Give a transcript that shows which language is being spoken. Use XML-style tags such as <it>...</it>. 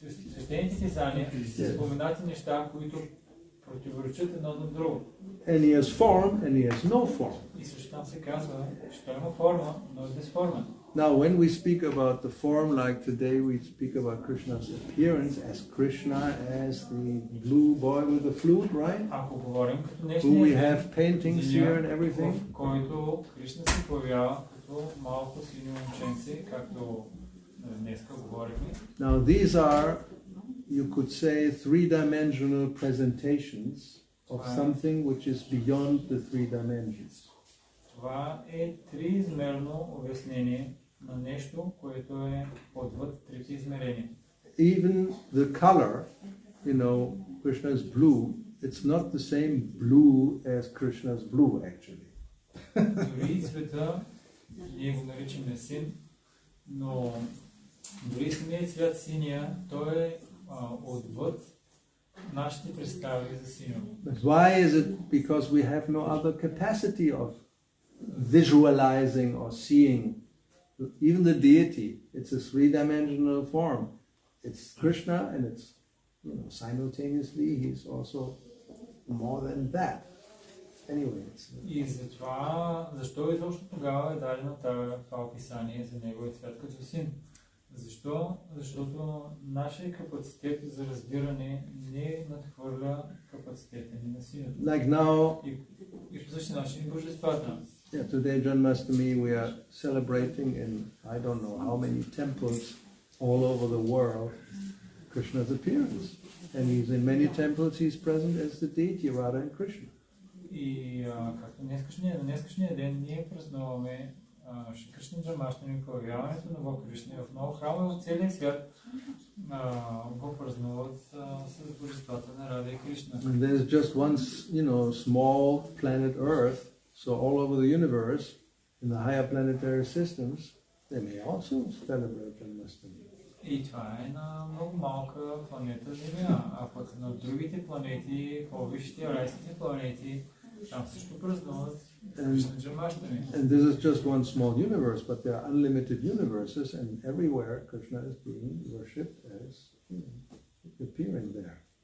<bg>Свещените писания са споменати неща, които противоречат едно на друго.</bg> <en>And he has form, and he has no form.</en> <bg>И също там се казва, че той има форма, но е безформен.</bg> <en>Now, when we speak about the form, like today, we speak about Krishna's appearance as Krishna, as the blue boy with the flute, right?</en> <bg>Ако говорим като днешния ден,</bg> <en>who we have paintings here and everything.</en> <bg>Който Кришна се появява като малко синьо момченце, както днеска говорихме.</bg> <en>Now, these are you could say, three-dimensional presentations of something which is beyond the three dimensions.</en> <bg>Това е триизмерно обяснение на нещо, което е отвъд трите измерения.</bg> <en>Even the color, you know, Krishna's blue, it's not the same blue as Krishna's blue, actually.</en> <bg>Дори цвета, ние го наричаме син, но дори самия цвят синия, той е отвъд нашите представи за синьо.</bg> <en>Why is it? Because we have no other capacity of visualizing or seeing. Even the deity, it's a three-dimensional form. It's Krishna and it's, you know, simultaneously he's also more than that. Anyway, it's...</en> <bg>И затова, защо изобщо тогава е дадено това описание за неговия свят като син? Защо? Защото нашия капацитет за разбиране не надхвърля капацитета ни на синът.</bg> <en>Like now...</en> <bg>И по същия начин и божествата.</bg> <en>Yeah, today Janmashtami we are celebrating in I don't know how many temples all over the world Krishna's appearance. And he's in many temples, he's present as the deity Radha and Krishna.</en> <bg>И както днескашния ден ние празнуваме Шри Кришна Джанмаштами, появяването на Бог Кришна в много храмове в целия свят го празнуват с божествата на Радха и Кришна.</bg> <en>And there's just one, you know, small planet Earth. So all over the universe, in the higher planetary systems, they may also celebrate Janmashtami.</en> <bg>И това е на много малка планета Земя, а пък на другите планети, по-висшите райските планети, там също празнуват Janmashtami.</bg> <en>And this is just one small universe, but there are unlimited universes, and everywhere Krishna is being worshipped as, you know, appearing there.</en>